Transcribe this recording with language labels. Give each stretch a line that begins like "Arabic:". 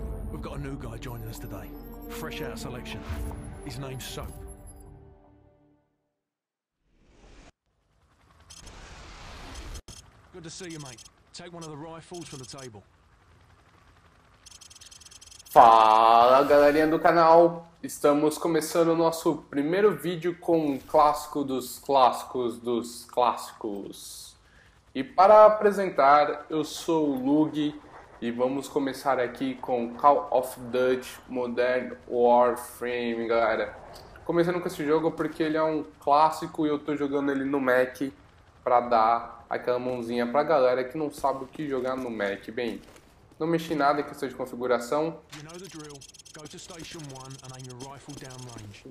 English: We've got a new guy joining us today, fresh out of selection. His name's Soap. Good to see you, mate. Take one of the rifles from the table.
Portuguese: Fala, galerinha do canal! Estamos começando o nosso primeiro vídeo com um clássico dos clássicos dos clássicos. E para apresentar, eu sou o Lug e vamos começar aqui com Call of Duty Modern Warfare, galera. Começando com esse jogo porque ele é um clássico e eu tô jogando ele no Mac para dar aquela mãozinha pra galera que não sabe o que jogar no Mac. Bem, não mexi nada em questão de configuração.
English: Go to station 1 and aim your rifle downrange.